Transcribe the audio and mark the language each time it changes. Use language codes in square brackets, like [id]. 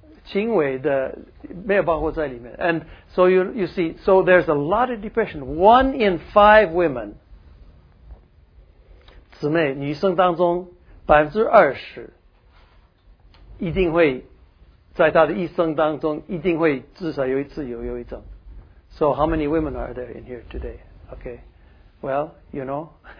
[zh] 轻微的没有包括在里面。 [en] And so you see, so there's a lot of depression. One in five women. [zh] 姊妹，女生当中 20% 一定会在她的一生当中一定会至少有一次有忧郁症。 [en] So how many women are there in here today? Okay, well, you know